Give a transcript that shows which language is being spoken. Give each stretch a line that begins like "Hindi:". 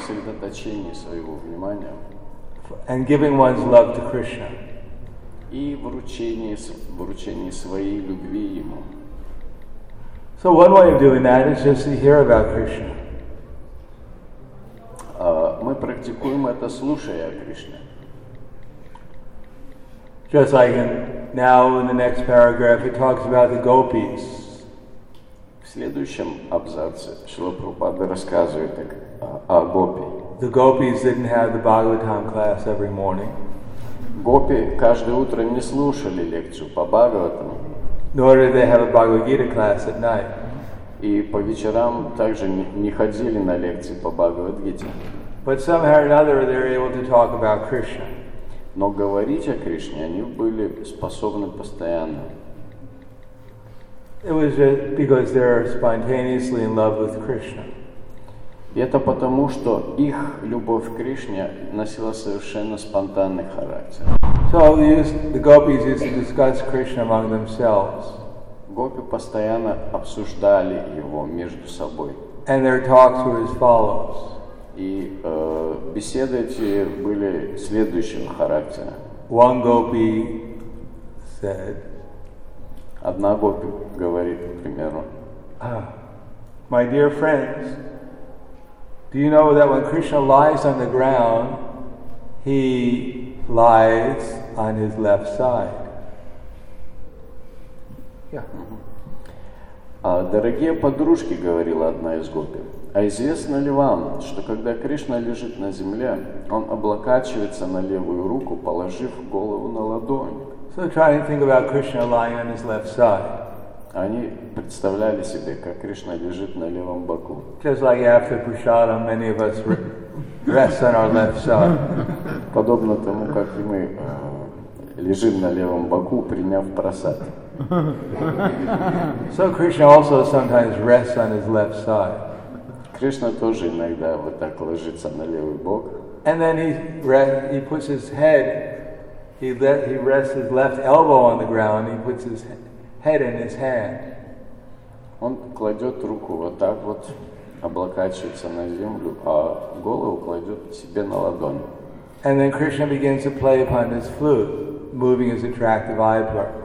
Russian: Сосредоточение своего внимания.
English: And giving one's love to Krishna.
Russian: И вручение своей любви ему.
English: So one way of doing that is just to hear about Krishna.
Russian: Мы практикуем это, слушая о Кришне.
English: Just like now in the next paragraph, it talks about the gopis
Russian: следующем абзаце Шрила Прабхупада рассказывает о гопи.
English: The gopis didn't have the Bhagavatam class every morning.
Russian: Гопи каждое утро не слушали лекцию по Бхагаватам.
English: Nor did they have a Bhagavad Gita class at night.
Russian: И по вечерам также не ходили на лекции по Бхагавад Гите.
English: But somehow or another they were able to talk about Krishna.
Russian: Но говорить о Кришне они были способны постоянно.
English: It was just because they are spontaneously in love with Krishna.
Russian: Это потому, что их любовь к Кришне носила совершенно спонтанный характер.
English: So the gopis used to discuss Krishna among themselves.
Russian: Гопи постоянно обсуждали его между собой.
English: And their talks were as follows.
Russian: И беседы эти были следующего характера.
English: One gopi said,
Russian: одна гопи говорит, к примеру,
English: my dear friends, do you know that when Krishna lies on the ground, he lies on his left side? Yeah.
Russian: Дорогие подружки, говорила одна из гопи, а известно ли вам, что когда Кришна лежит на земле, он облокачивается на левую руку, положив голову на ладонь?
English: So trying to think about Krishna lying on his left side.
Russian: Они представляли себе, как Кришна лежит на левом боку.
English: Just like after prasadam, many of us rest on our left side.
Russian: Подобно тому, как и мы лежим на левом боку, приняв прасад.
English: So Krishna also sometimes rests on his left side.
Russian: Кришна тоже иногда вот так ложится на левый бок.
English: And then he puts his head, he rests his left elbow on the ground, he puts his head in his hand.
Russian: Он кладет руку вот так вот, облокачивается на землю, а голову кладет себе на ладонь.
English: And then Krishna begins to play upon his flute, moving his attractive eyebrows.